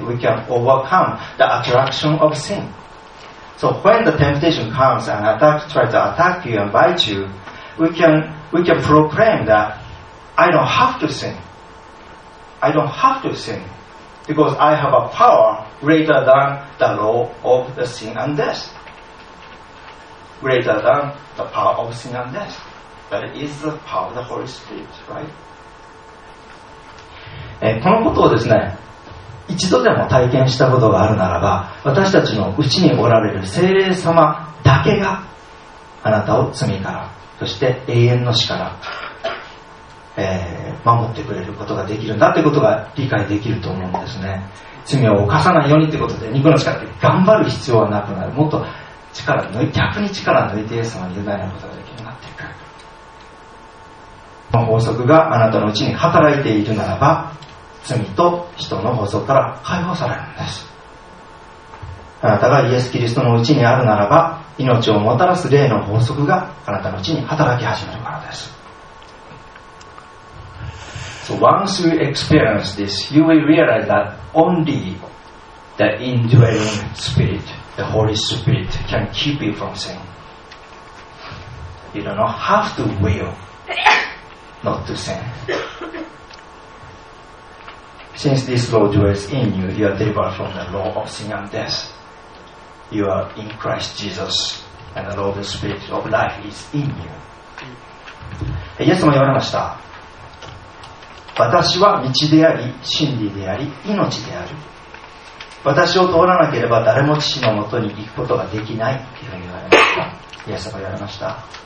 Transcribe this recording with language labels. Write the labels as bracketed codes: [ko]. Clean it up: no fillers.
[en] We can overcome the attraction of sin. So when the temptation comes and tries to attack you and bite you, we can proclaim that I don't have to sin. I don't have to sin because I have a power greater than the law of the sin and death. Greater than the power of sin and death. That is the power of the Holy Spirit, right? [ja] このことをですね、一度でも体験したことがあるならば、私たちのうちにおられる聖霊様だけがあなたを罪から、そして永遠の死から、守ってくれることができるんだということが理解できると思うんですね。罪を犯さないようにということで、肉の力で頑張る必要はなくなる。もっと力抜い、逆に力抜いてイエス様に委ねることができるようになっていく。この法則があなたのうちに働いているならば、罪と人の法則から解放されるんです。あなたがイエス・キリストのうちにあるならば、命をもたらす霊の法則があなたのうちに働き始めるからです。 [en] So once you experience this, you will realize that only the indwelling spirit, the Holy Spirit, can keep you from sin. You do not have to will not to sin. Since this law dwells in you, you are delivered from the law of sin and death. You are in Christ Jesus, and the law of the Spirit of life is in you. [ja] イエスも言われました。私は道であり、真理であり、命である。私を通らなければ誰も父のもとに行くことができないというふうに言われました。イエス様が言われました。